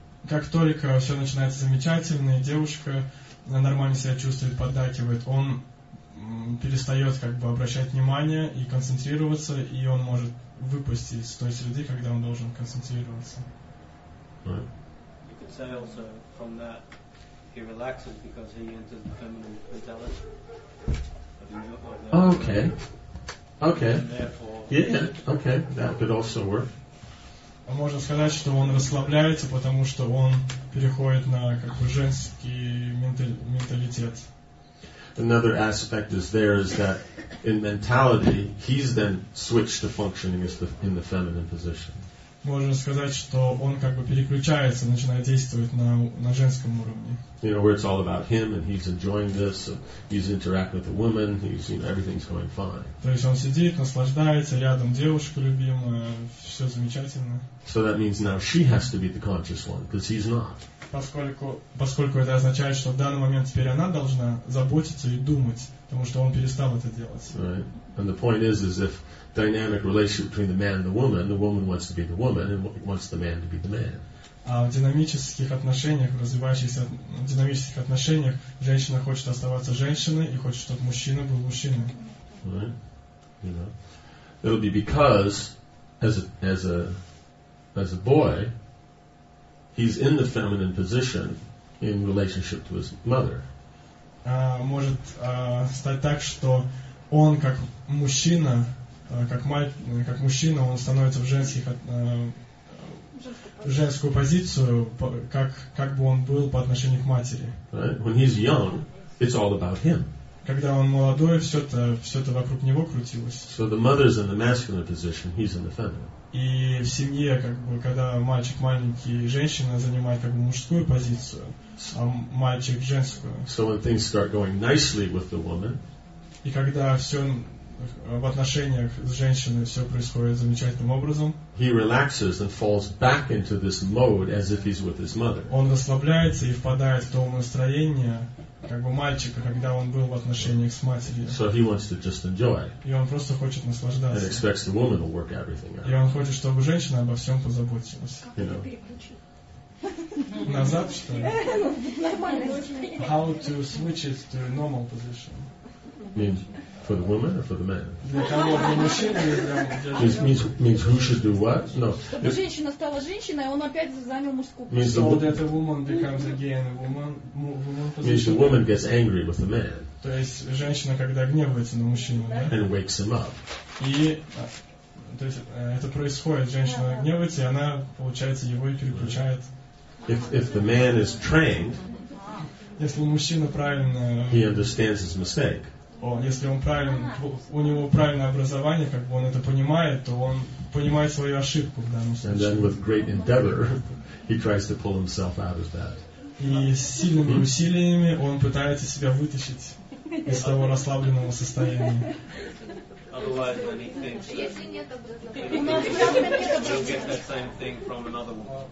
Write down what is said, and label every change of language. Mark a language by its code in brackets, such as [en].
[ru] Как только все начинается замечательно, и девушка нормально себя чувствует, поддакивает, он перестает как бы обращать внимание и концентрироваться, и он может выпасть из той среды, когда он должен концентрироваться. [en] You could say also from that he relaxes because he enters the feminine mentality. Oh, okay. Okay. Yeah, okay. That could also work. [ru] Можно сказать, что он расслабляется, потому что он переходит на как бы женский менталитет. [en] Another aspect is there is that in mentality he's then switched to functioning in the feminine position. [ru] Можно сказать, что он как бы переключается, начинает действовать на женском уровне. [en] You know, where it's all about him and he's enjoying this, and he's interacting with the woman, he's, you know, everything's going fine. [ru] То есть он сидит, наслаждается, рядом девушка любимая, все замечательно. [en] So that means now she has to be the conscious one, because he's not. [ru] Поскольку это означает, что в данный момент теперь она должна заботиться и думать, потому что он перестал это делать. [en] Right. And the point is if dynamic relationship between the man and the woman wants to be the woman and wants the man to be the man. [ru] А в динамических отношениях, развивающихся в динамических отношениях, женщина хочет оставаться женщиной и хочет, чтобы мужчина был мужчиной. [en] Right. You know. It'll be because as a boy, he's in the feminine position in relationship to his mother. [ru] Может стать так, что он как мужчина, как мать, как мужчина, он становится в женскую позицию, как бы он был по отношению к матери. [en] Right? When he's young, it's all about him. [ru] Когда он молодой, все это вокруг него крутилось. [en] So the mother's in the masculine position, he's in the feminine. [ru] И в семье, как бы, когда мальчик маленький, женщина занимает как бы мужскую позицию, а мальчик женскую. [en] So when things start going nicely with the woman. [ru] И когда все в отношениях с женщиной все происходит замечательным образом. [en] He relaxes and falls back into this mode as if he's with his mother. [ru] Он расслабляется и впадает в то настроение, как бы мальчика, когда он был в отношениях с матерью. [en] So he wants to just enjoy. [ru] И он просто хочет наслаждаться. [en] And expects the woman to work everything out. [ru] И он хочет, чтобы женщина обо всем позаботилась. Как это переключить? Назад, что ли? Нормально. [en] How to switch it to a normal position? Means for the woman or for the man? [ru] Для того, для мужчины. [en] Means who should do what? No. [ru] Женщина стала женщиной, он опять занял мужскую позицию. [en] Means the woman. So that a woman becomes again a woman. Means the woman gets angry with the man. [ru] То есть женщина, когда гневается на мужчину, да? [en] And wakes him up. [ru] И то есть это происходит. Женщина гневается, и она, получается, его и переключает. [en] If the man is trained, [ru] если мужчина правильно, [en] he understands his mistake. [ru] Он, если он правильно, у него правильное образование, как бы он это понимает, то он понимает свою ошибку в данном случае. [en] And then with great endeavor, he tries to pull himself out of that. [ru] И с сильными усилиями он пытается себя вытащить из того расслабленного состояния. [en] Otherwise, then he thinks that he'll get that same thing from another woman.